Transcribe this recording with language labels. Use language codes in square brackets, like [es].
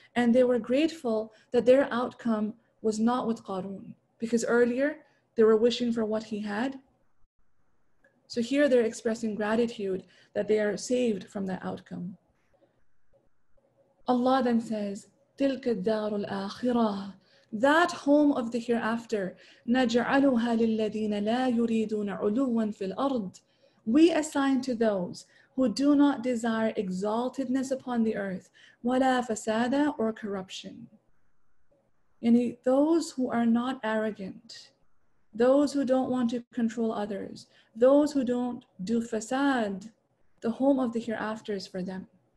[en] And they were grateful that their outcome was not with Qarun. Because earlier, they were wishing for what he had. So here they're expressing gratitude that they are saved from that outcome. Allah then says, [ar] تِلْكَ الدَّارُ الْآخِرَةِ. [en] That home of the hereafter, [ar] نَجْعَلُهَا لِلَّذِينَ لَا يُرِيدُونَ عُلُوًا فِي الْأَرْضِ. [en] We assign to those who do not desire exaltedness upon the earth, [ar] وَلَا فَسَادًا [en] or corruption. Any those who are not arrogant, those who don't want to control others, those who don't do fasad, the home of the hereafter is for them.